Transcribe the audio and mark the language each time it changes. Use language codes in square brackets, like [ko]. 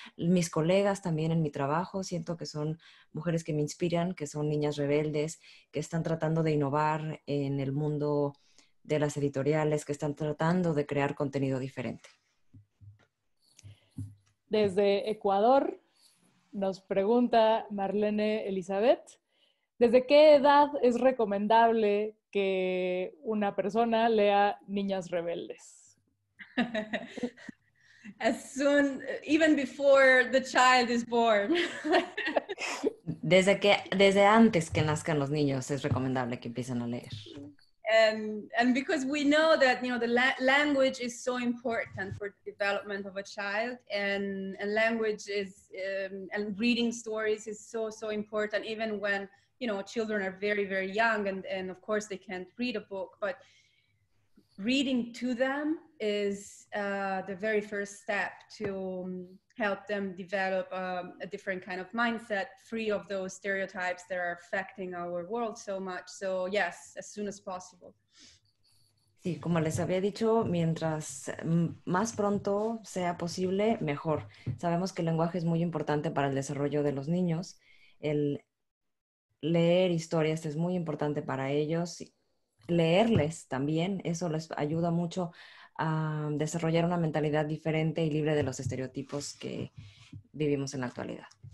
[es] Mis colegas también en mi trabajo, siento que son mujeres que me inspiran, que son niñas rebeldes, que están tratando de innovar en el mundo de las editoriales, que están tratando de crear contenido diferente. Desde Ecuador nos pregunta Marlene Elizabeth, ¿desde qué edad es recomendable que una persona lea Niñas Rebeldes? [en] As soon, even before the child is born. [es] Desde antes que nazcan los niños es recomendable que empiecen a leer. [en] And because we know that, you know, the language is so important for the development of a child, and language is and reading stories is so, so important, even when, you know, children are very, very young, and of course they can't read a book, but reading to them is the very first step to help them develop a different kind of mindset, free of those stereotypes that are affecting our world so much. So yes, as soon as possible. [es] Sí, como les había dicho, mientras más pronto sea posible, mejor. Sabemos que el lenguaje es muy importante para el desarrollo de los niños. El leer historias es muy importante para ellos. Leerles también, eso les ayuda mucho a desarrollar una mentalidad diferente y libre de los estereotipos que vivimos en la actualidad.